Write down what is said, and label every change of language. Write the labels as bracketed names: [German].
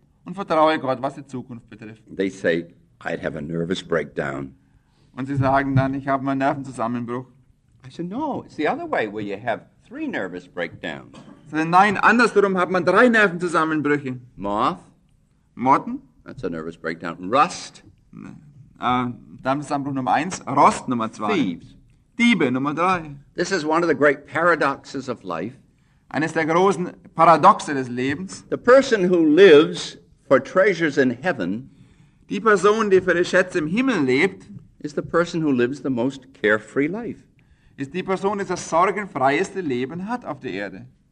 [German] Und vertraue Gott, was die Zukunft betrifft. [English] They say, I'd have a nervous breakdown. [German] Und sie sagen dann, ich habe einen Nervenzusammenbruch. [English] I said, no, it's the other way where you have 3 nervous breakdowns. [German] Sie sagen, nein, andersherum hat man 3 Nervenzusammenbrüche. [English] Moth. [German] Motten. [English] That's a nervous breakdown. Rust. [German] Nervenzusammenbruch Nummer 1. Rost Nummer 2. [English] Thieves. [German] Diebe Nummer 3. [English] This is one of the great paradoxes of life. [German] Eines der großen Paradoxe des Lebens. [English] The person who lives for treasures in heaven, [German] die Person, die für die Schätze im Himmel lebt, [English] is the person who lives the most carefree life. [German] Ist die Person, die das sorgenfreieste Leben hat auf der Erde.